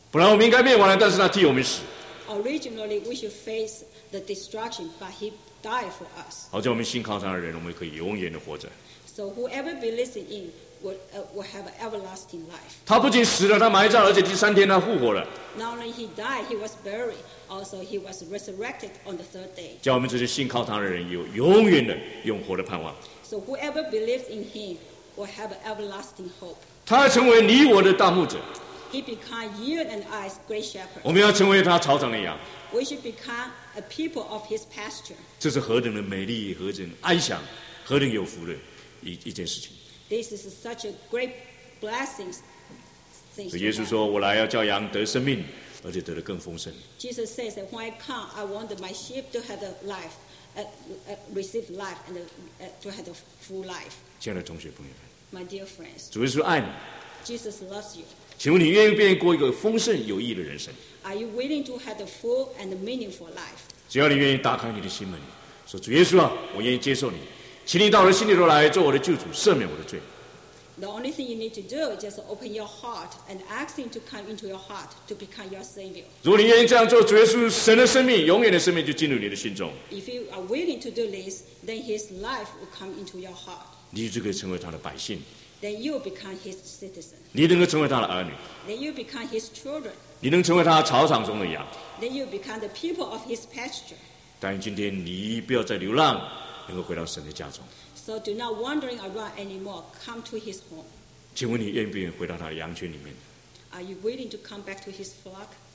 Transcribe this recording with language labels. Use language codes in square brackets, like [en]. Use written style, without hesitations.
[zh] 本来我们应该灭亡了，但是他替我们死。 [en] Originally, we should face the destruction, but he died for us. [zh] 好叫我们信靠他的人，我们可以永远的活着。 [en] So whoever believes in him will have an everlasting life. [zh] 他不仅死了，他埋葬，而且第三天他复活了。 [en] Not only he died, he was buried. Also, he was resurrected on the third day. [zh] 叫我们这些信靠他的人有永远的永活的盼望。 [en] So whoever believes in him will have an everlasting hope. [zh] 他成为你我的大牧者。 [en] He became you and I's great shepherd. [zh] 我们要成为他草场的羊。 [en] We should become a people of his pasture. [zh] 这是何等的美丽，何等安详，何等有福的一件事情。 [en] This is such a great blessing. [zh] 所以耶稣说，我来要叫羊得生命，而且得的更丰盛。 [en] Jesus says that when I come, I want my sheep to have life, receive life and to have a full life. [zh] 亲爱的同学朋友们 [en] ，My dear friends， [zh] 主耶稣爱你。 [en] Jesus loves you. [zh] 请问你愿意变过一个丰盛有益的人生 [en] ？Are you willing to have a full and meaningful life？ [zh] 只要你愿意打开你的心门，说主耶稣啊，我愿意接受你。请你到我的心里头来做我的救主，赦免我的罪。 [en] The only thing you need to do is just open your heart and ask him to come into your heart to become your savior. [zh] 如果你愿意这样做，主耶稣神的生命、永远的生命就进入你的心中。 [en] If you are willing to do this, then his life will come into your heart. [zh] 你就可以成为他的百姓。 [en] Then you become his citizen. [zh] 你能够成为他的儿女。 [en] Then you become his children. [zh] 你能成为他草场中的羊。 [en] Then you become the people of his pasture. [zh] 但今天你不要再流浪。能够回到神的家中。 [en] So do not wandering around anymore. Come to His home. [zh] 请问你愿不愿意回到他的羊群里面 [en] ？Are you willing to come back to His flock?